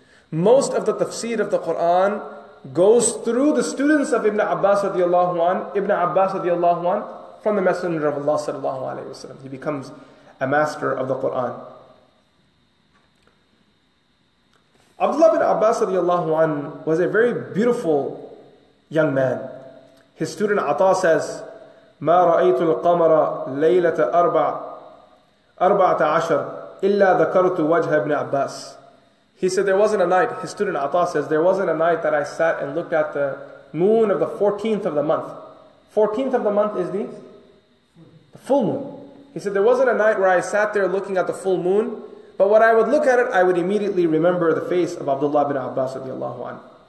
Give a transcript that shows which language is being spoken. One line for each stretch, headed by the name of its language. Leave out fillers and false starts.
English: Most of the tafsir of the Quran goes through the students of Ibn Abbas radiallahu anhu, Ibn Abbas radiallahu anhu, from the Messenger of Allah sallallahu alaihi wasallam. He becomes a master of the Quran. Abdullah bin Abbas radiallahu anhu was a very beautiful young man. His student Ata says,
Arabic: ما رأيت القمر ليلة أربعة عشر إلا ذكرت وجه ابن عباس.
English: He said there wasn't a night, his student Ata says, there wasn't a night that I sat and looked at the moon of the 14th of the month. 14th of the month is the full moon. He said there wasn't a night where I sat there looking at the full moon, but when I would look at it, I would immediately remember the face of Abdullah ibn Abbas radiallahu anhu.